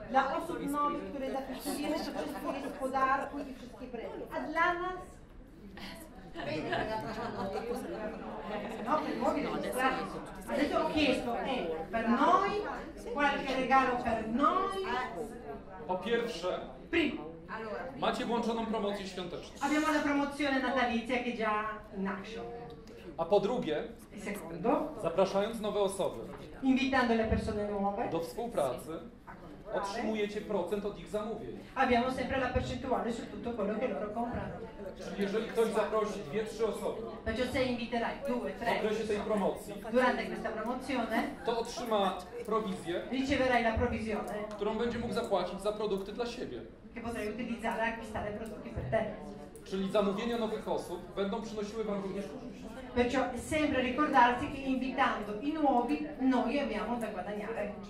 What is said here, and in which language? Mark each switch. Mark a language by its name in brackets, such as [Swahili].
[Polish] La osób nowych, które zapisuje się do wszystkich gospodarków i wszystkich prezentów. A dla nas... [Italian] No, per nuovi registrati. Adesso ho chiesto, per noi, qualche regalo per noi. [Polish] Po pierwsze. [Italian] Primo. [Polish] Macie włączoną promocję świąteczną. [Italian] Abbiamo la promozione natalizia che già [English] in action. [Polish] A po drugie, [Italian] secondo, [Polish] zapraszając nowe osoby, [Italian] invitando le persone nuove, [Polish] do współpracy, otrzymujecie procent od ich zamówień. [Italian] Abbiamo sempre la percentuale su tutto quello che loro comprano. [Polish] Czyli jeżeli ktoś zaprosi 2-3 osoby, [Italian] perciò se inviterai 2-3 [Polish] w okresie tej promocji, [Italian] durante questa promozione, [Polish] to otrzyma prowizję, [Italian] riceverai la provisione, [Polish] którą będzie mógł zapłacić za produkty dla siebie. [Italian] Che potrei utilizzare acquistare prodotti per te. [Polish] Czyli zamówienia nowych osób będą przynosiły wam również korzyści. [Italian] Perciò sempre ricordarsi che invitando i nuovi noi abbiamo da guadagnare.